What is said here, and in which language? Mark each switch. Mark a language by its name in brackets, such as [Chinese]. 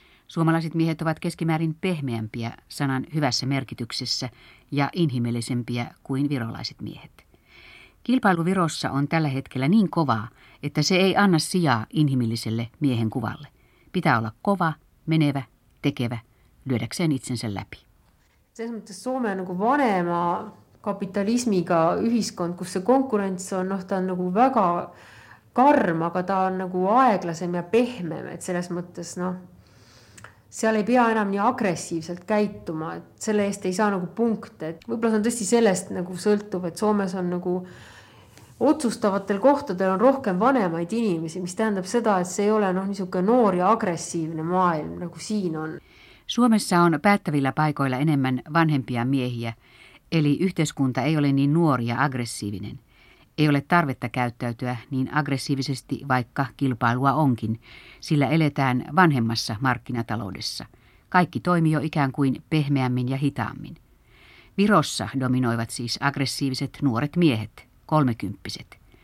[Finnish] Suomalaiset miehet ovat keskimäärin pehmeämpiä sanan hyvässä merkityksessä ja inhimillisempiä kuin virolaiset miehet. Kilpailu Virossa on tällä hetkellä niin kovaa, että se ei anna sijaa inhimilliselle miehen kuvalle. Pitää olla kova, menevä, tekevä, lyödäkseen itsensä läpi. [Estonian] Selles mõttes Soome on nagu vanema kapitalismiga ühiskond, kus see konkurents on, noh, ta on nagu väga karm, aga ta on nagu aeglasem ja pehmem, et selles mõttes, noh, seal ei pea enam nii agressiivselt käituma, et selle eest ei saa nagu punkte. Võibolla on tõesti sellest nagu sõltuv, et Soomes on nagu otsustavatel kohtadel on rohkem vanemaid inimesi, mis tähendab seda, et see ei ole noh, niisugune noor ja agressiivne maailm, nagu siin on. [Finnish] Suomessa on päättävillä paikoilla enemmän vanhempia miehiä, eli yhteiskunta ei ole niin nuori ja aggressiivinen. Ei ole tarvetta käyttäytyä niin aggressiivisesti, vaikka kilpailua onkin, sillä eletään vanhemmassa markkinataloudessa. Kaikki toimii jo ikään kuin pehmeämmin ja hitaammin. Virossa dominoivat siis aggressiiviset nuoret miehet, kolmekymppiset.